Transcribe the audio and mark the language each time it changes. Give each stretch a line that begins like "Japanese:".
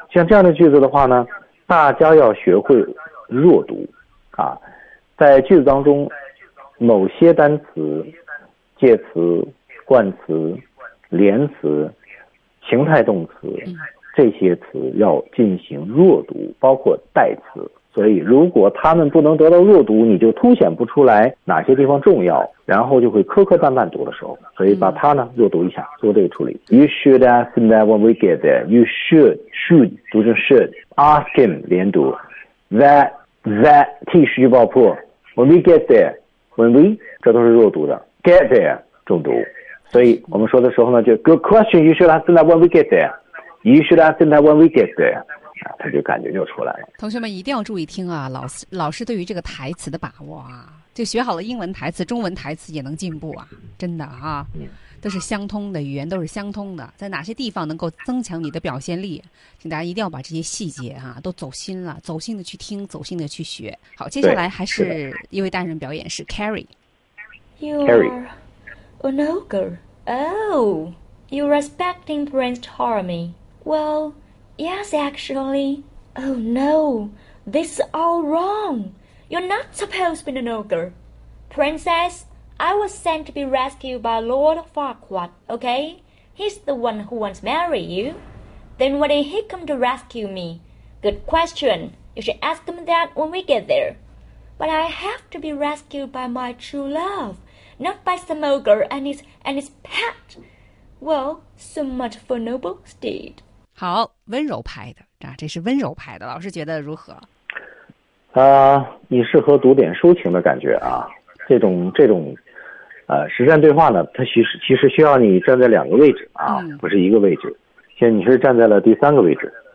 Chinese: 像这样的句子的话呢，大家要学会弱读啊，在句子当中，某些单词、介词、冠词、连词、情态动词这些词要进行弱读，包括代词。所以如果他们不能得到弱读，你就凸显不出来哪些地方重要，然后就会磕磕绊绊读的时候，所以把它呢弱读一下，做这个处理。
English: You should ask him that when we get there. You should
Chinese: 读成
English: should. Ask him
Chinese: 连读。
English: That
Chinese: 替失去爆破。
English: When we get there, when we
Chinese: 这都是弱读的。
English: Get there
Chinese: 重读。所以我们说的时候呢，就
English: Good question. You should ask him that when we get there. You should ask him that when we get there.
Chinese: 啊，他就感觉就出来了。同学们一定要注意听啊，老师对于这个台词的把握啊，就学好了英文台词，中文台词也能进步啊，真的啊，都是相通的，语言都是相通的，在哪些地方能够增强你的表现力，请大家一定要把这些细节啊都走心了，走心的去听，走心的去学。好，接下来还是一位单人表演，是 Carrie。
English: You're an ogre. Oh, you're respecting Prince Charming. Well. Yes, actually. Oh no, this is all wrong. You're not supposed to be an ogre. Princess, I was sent to be rescued by Lord Farquaad, okay? He's the one who wants to marry you. Then why did he come to rescue me? Good question. You should ask him that when we get there. But I have to be rescued by my true love, not by some ogre and his pet. Well, so much for noble steed.
Chinese: 好，温柔派的啊，这是温柔派的，老师觉得如何？啊，你适合读点抒情的感觉啊，这种，实战对话呢，它其实需要你站在两个位置啊，不是一个位置，现在你是站在了第三个位置，